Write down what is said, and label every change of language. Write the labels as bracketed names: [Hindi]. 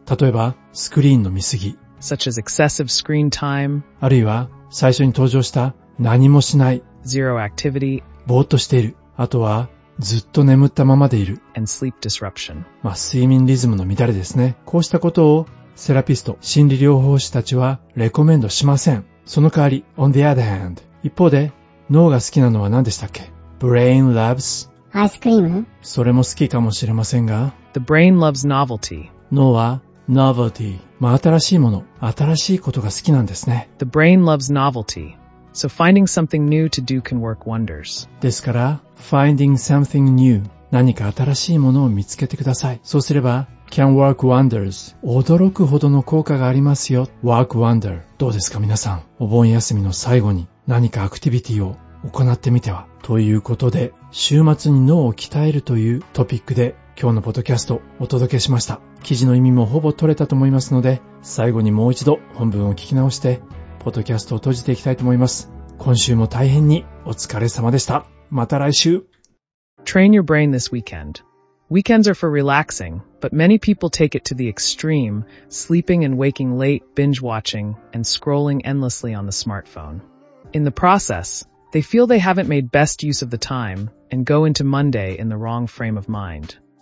[Japanese] 例えば、スクリーンの見すぎ。 [English] Such as excessive screen time. [Japanese] あるいは、最初に登場した何もしない。 [English] Zero activity. [Japanese] ぼーっとしている。あとは、ずっと眠ったままでいる。 [English] And sleep disruption. [Japanese] まあ、睡眠リズムの乱れですね。こうしたことをセラピスト、心理療法士たちはレコメンドしません。その代わり、 [English] on the other hand。 [Japanese] 一方で、脳が好きなのは何でしたっけ ? [English] brain loves ice cream? [Japanese] それも好きかもしれませんが、 [English] the brain loves novelty。 [Japanese] 脳は novelty。まあ、新しいもの、新しいことが好きなんですね。 [English] the brain loves novelty。 So finding something new to do can work wonders. [Japanese] ですから、 [English] finding something new、 [Japanese] 何か新しいものを見つけてください。そうすれば、 [English] can work wonders、 [Japanese] 驚くほどの効果がありますよ。 [English] work wonder。 [Japanese] どうですか皆さん、お盆休みの最後に何かアクティビティを行ってみては。ということで、週末に脳を鍛えるというトピックで今日のポッドキャストをお届けしました。記事の意味もほぼ取れたと思いますので、最後にもう一度本文を聞き直してポッドキャストを閉じていきたいと思います。今週も大変にお疲れ様でした。また来週。 [English] Train your brain this weekend. Weekends are for relaxing, but many people take it to the extreme, sleeping and waking late, binge watching, and scrolling endlessly on the smartphone. In the process, They feel they haven't made best use of the time and go into Monday in the wrong frame of mind.